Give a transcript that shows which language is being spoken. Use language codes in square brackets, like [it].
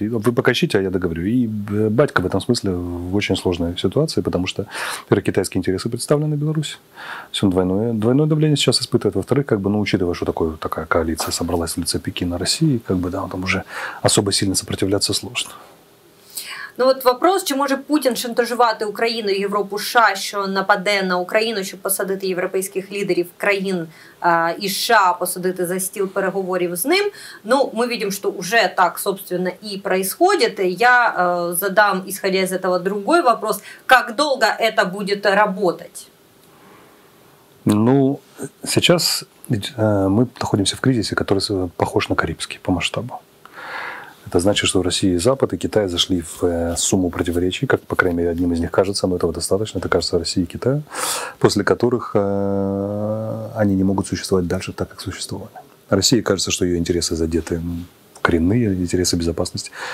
[ru] Вы пока ищите, а я договорю. И батька в этом смысле в очень сложной ситуации, потому что, во-первых, китайские интересы представлены в Беларуси. Все двойное давление сейчас испытывает. Во-вторых, как бы, ну, учитывая, что такая коалиция собралась в лице Пекина, России, как бы, да, там уже особо сильно сопротивляться сложно. [uk] Ну вот вопрос, чи може Путін шантажувати Україну, Європу, США, що нападе на Україну, щоб посадити європейських лідерів країн і США, посадити за стіл переговорів з ним. Ну, ми бачимо, що вже так, собственно, і відбувається. Я задам, ісходя з цього, другий вопрос. Як довго це буде працювати? Ну, зараз ми знаходимося в кризисі, який похож на карибський по масштабу. [ru] Это значит, что Россия и Запад, и Китай зашли в сумму противоречий, как, по крайней мере, одним из них кажется, но этого достаточно, это кажется России и Китаю, после которых они не могут существовать дальше так, как существовали. России кажется, что ее интересы задеты, коренные интересы безопасности.